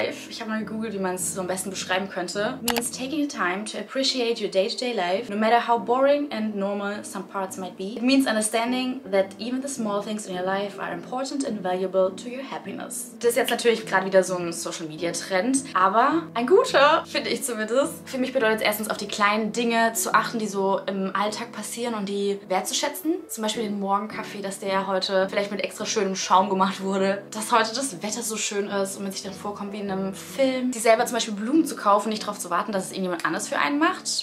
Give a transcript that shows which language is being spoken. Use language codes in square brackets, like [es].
[de] Ich habe mal gegoogelt, wie man es so am besten beschreiben könnte. [en] Means taking the time to appreciate your day-to-day life, no matter how boring and normal some parts might be. It means understanding that even the small things in your life are important and valuable to your happiness. [de] Das ist jetzt natürlich gerade wieder so ein Social-Media-Trend, aber ein guter, finde ich zumindest. Für mich bedeutet es erstens, auf die kleinen Dinge zu achten, die so im Alltag passieren und die wertzuschätzen. Zum Beispiel den Morgenkaffee, dass der heute vielleicht mit extra schönem Schaum gemacht wurde. Dass heute das Wetter so schön ist und man sich dann vorkommt wie in einem Film, sich selber zum Beispiel Blumen zu kaufen, nicht darauf zu warten, dass es irgendjemand anders für einen macht.